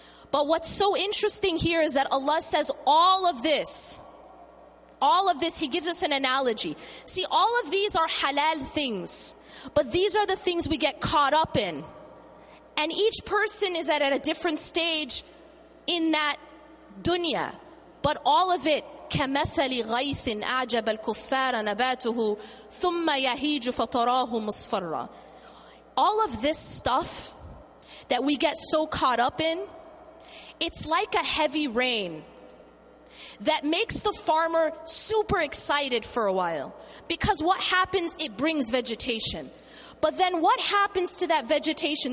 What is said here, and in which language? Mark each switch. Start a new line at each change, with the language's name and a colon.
English: But what's so interesting here is that Allah says all of this, He gives us an analogy. See, all of these are halal things. But these are the things we get caught up in. And each person is at a different stage in that dunya. But all of it,
Arabic: كَمَثَلِ غَيْثٍ أَعْجَبَ الْكُفَّارَ نَبَاتُهُ ثُمَّ يَهِيجُ فَطَرَاهُ مُصْفَرًّا.
English: All of this stuff that we get so caught up in, it's like a heavy rain that makes the farmer super excited for a while. Because what happens? It brings vegetation. But then what happens to that vegetation?